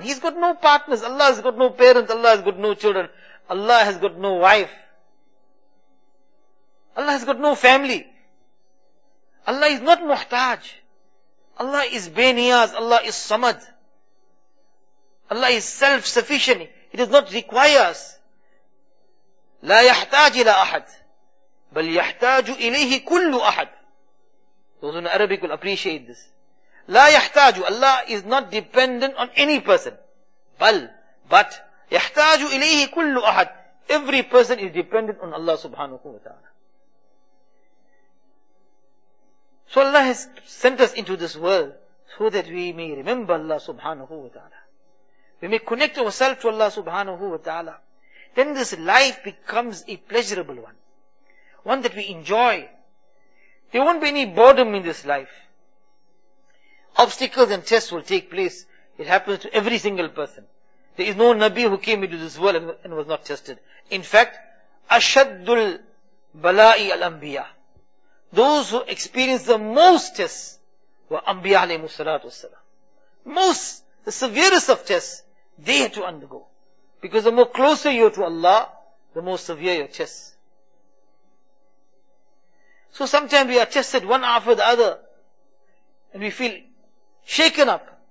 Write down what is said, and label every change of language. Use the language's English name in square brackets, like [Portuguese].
[English] He's got no partners. Allah has got no parents. Allah has got no children. Allah has got no wife. Allah has got no family. Allah is not muhtaj. Allah is beniyaz. Allah is samad. Allah is self-sufficient. He does not require us. [Arabic] لا يحتاج إلى أحد بل يحتاج إليه كل أحد. [English] Those in Arabic will appreciate this. [Arabic] لا يحتاج. [English] Allah is not dependent on any person. But [Arabic] يحتاج إليه كل أحد. [English] Every person is dependent on Allah subhanahu wa ta'ala. So Allah has sent us into this world so that we may remember Allah subhanahu wa ta'ala. We may connect ourselves to Allah subhanahu wa ta'ala. Then this life becomes a pleasurable one. One that we enjoy. There won't be any boredom in this life. Obstacles and tests will take place. It happens to every single person. There is no Nabi who came into this world and was not tested. In fact, [Arabic] أَشَدُّ الْبَلَاءِ الْأَنْبِيَىٰ. [English] Those who experienced the most tests were Anbiya alayhi salatu wasalam. Most, the severest of tests, they had to undergo. Because the more closer you are to Allah, the more severe your tests. So sometimes we are tested one after the other, and we feel shaken up.